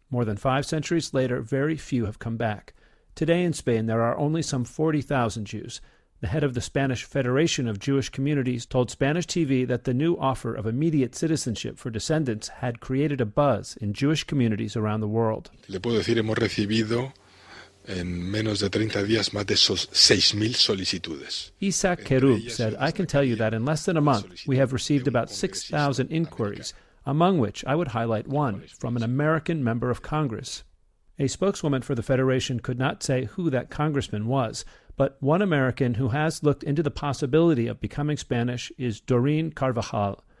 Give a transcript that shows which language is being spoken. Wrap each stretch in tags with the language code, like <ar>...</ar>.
<en>More than five centuries later, very few have come back. Today in Spain, there are only some 40,000 Jews. The head of the Spanish Federation of Jewish Communities told Spanish TV that the new offer of immediate citizenship for descendants had created a buzz in Jewish communities around the world.</en> <es>Le puedo decir, hemos recibido en menos de 30 días más de 6,000 solicitudes.</es> <en>Isaac Kerub said, I can tell you that in less than a month, we have received about 6,000 inquiries, among which I would highlight one from an American member of Congress. A spokeswoman for the Federation could not say who that congressman was, but one American who has looked into the possibility of becoming Spanish is Doreen Carvajal.</en>